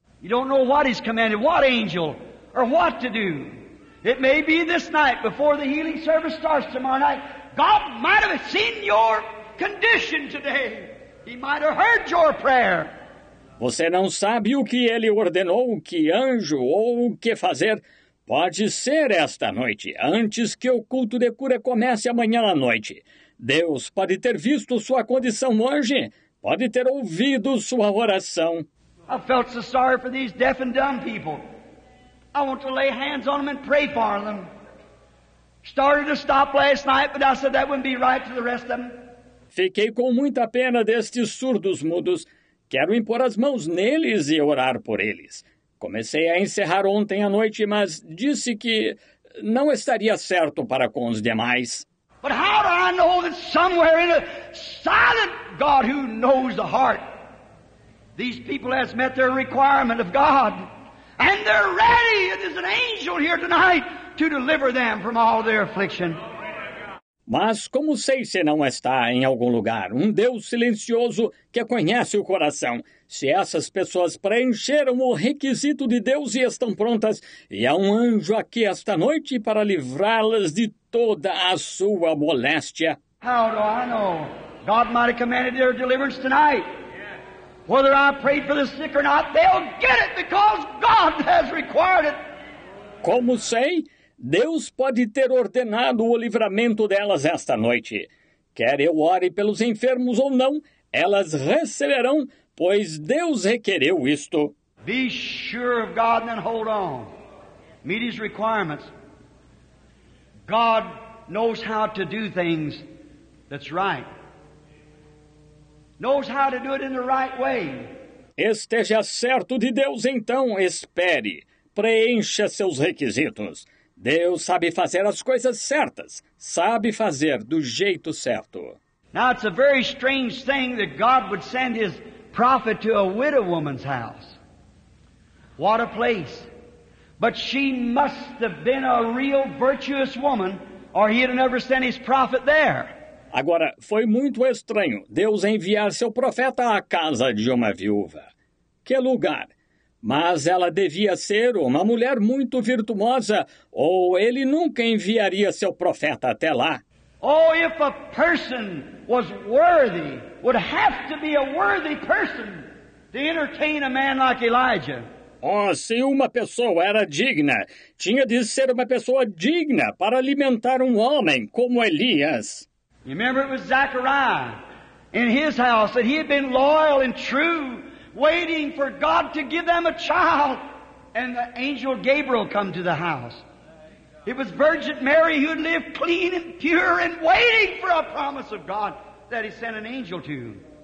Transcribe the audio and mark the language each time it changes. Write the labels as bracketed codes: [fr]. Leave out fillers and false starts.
[en] You don't know what he's commanded, what angel, or what to do. It may be this night, before the healing service starts tomorrow night, God might have seen your condition today. He might have heard your prayer. [pt] Você não sabe o que ele ordenou, que anjo ou o que fazer. Pode ser esta noite, antes que o culto de cura comece amanhã à noite. Deus pode ter visto sua condição hoje, pode ter ouvido sua oração. [en] I felt so sorry for these deaf and dumb people. I want to lay hands on them and pray for them. Started to stop last night, but I said that wouldn't be right to the rest of them. [pt] Fiquei com muita pena destes surdos mudos. Quero impor as mãos neles e orar por eles. Comecei a encerrar ontem à noite, mas disse que não estaria certo para com os demais. [en] But how do I know that somewhere in a silent God who knows the heart, these people has met their requirement of God, and they're ready, and there's an angel here tonight to deliver them from all their affliction. [pt] Mas como sei se não está em algum lugar um Deus silencioso que conhece o coração? Se essas pessoas preencheram o requisito de Deus e estão prontas, e há um anjo aqui esta noite para livrá-las de toda a sua moléstia. [en] How do I know? God might have commanded their deliverance tonight. Whether I prayed for the sick or not, they'll get it because God has required it. [pt] Como sei? Deus pode ter ordenado o livramento delas esta noite. Quer eu ore pelos enfermos ou não, elas receberão, pois Deus requereu isto. [en] Be sure of God and hold on. Meet his requirements. God knows how to do things that's right. Knows how to do it in the right way. [pt] Esteja certo de Deus, então espere. Preencha seus requisitos. Deus sabe fazer as coisas certas. Sabe fazer do jeito certo. [en] Now it's a very strange thing that God would send his prophet to a widow woman's house. What a place. But she must have been a real virtuous woman, or he had never sent his prophet there. [pt] Agora, foi muito estranho Deus enviar seu profeta à casa de uma viúva. Que lugar? Mas ela devia ser uma mulher muito virtuosa, ou ele nunca enviaria seu profeta até lá. [en] Oh, if a person was worthy, would have to be a worthy person to entertain a man like Elijah. [pt] Oh, se uma pessoa era digna, tinha de ser uma pessoa digna para alimentar um homem como Elias. [en] Remember, it was Zechariah in his house that he had been loyal and true, waiting for God to give them a child, and the angel Gabriel come to the house. It was Virgin Mary who lived clean and pure and waiting for a promise of God that he sent an angel to.